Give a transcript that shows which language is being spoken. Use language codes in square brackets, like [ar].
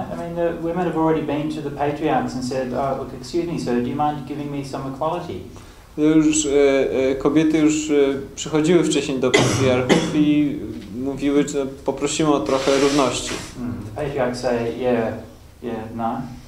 [en] I mean, the women have already been to the patriarchs and said, oh, look, excuse me, sir, do you mind giving me some equality? [pl] Już kobiety już przychodziły wcześniej do patriarchów i mówiły, że poprosimy o trochę równości. [en] The patriarchs say, yeah, no.